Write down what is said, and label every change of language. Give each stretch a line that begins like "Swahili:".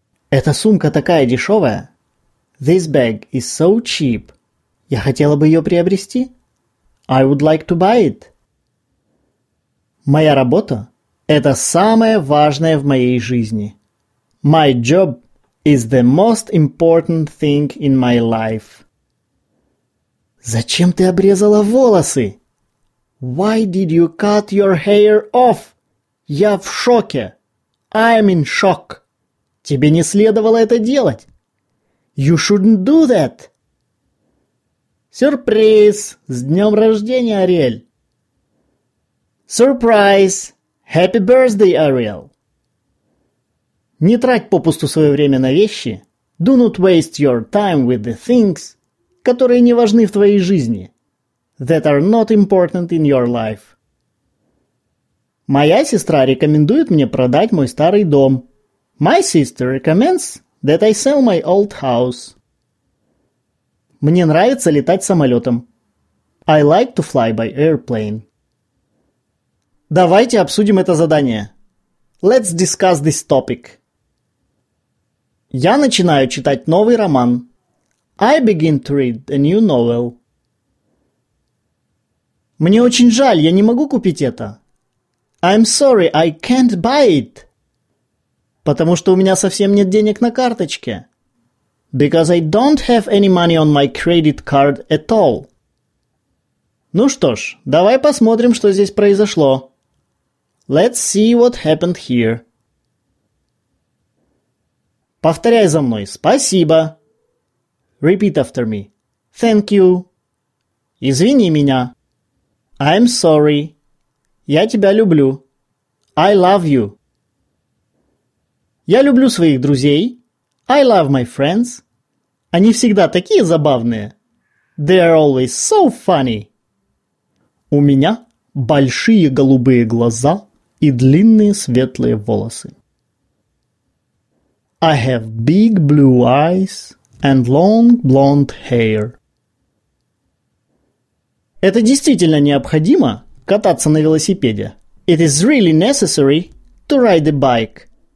Russian: Эта сумка такая дешевая.
English: This bag is so cheap.
Russian: Я хотела бы ее приобрести.
English: I would like to buy it.
Russian: Моя работа – это самое важное в моей жизни.
English: My job is the most important thing in my life.
Russian: Зачем ты обрезала волосы?
English: Why did you cut your hair off?
Russian: Я в шоке.
English: I'm in shock.
Russian: Тебе не следовало это делать.
English: You shouldn't do that.
Russian: Сюрприз! С днем рождения, Ариэль!
English: Surprise! Happy birthday, Ariel!
Russian: Не трать попусту свое время на вещи.
English: Do not waste your time with the things,
Russian: которые не важны в твоей жизни.
English: That are not important in your life.
Russian: Моя сестра рекомендует мне продать мой старый дом.
English: My sister recommends that I sell my old house.
Russian: Мне нравится летать самолетом.
English: I like to fly by airplane.
Russian: Давайте обсудим это задание.
English: Let's discuss this topic.
Russian: Я начинаю читать новый роман.
English: I begin to read a new novel.
Russian: Мне очень жаль, я не могу купить это.
English: I'm sorry, I can't buy it.
Russian: Потому что у меня совсем нет денег на карточке.
English: Because I don't have any money on my credit card at all.
Russian: Ну что ж, давай посмотрим, что здесь произошло.
English: Let's see what happened here.
Russian: Повторяй за мной. Спасибо.
English: Repeat after me. Thank you.
Russian: Извини меня.
English: I'm sorry.
Russian: Я тебя люблю.
English: I love you.
Russian: Я люблю своих друзей.
English: I love my friends.
Russian: Они всегда такие забавные.
English: They are always so funny.
Russian: У меня большие голубые глаза и длинные светлые волосы.
English: I have big blue eyes and long blonde hair.
Russian: Это действительно необходимо кататься на велосипеде.
English: It is really necessary to ride a bike.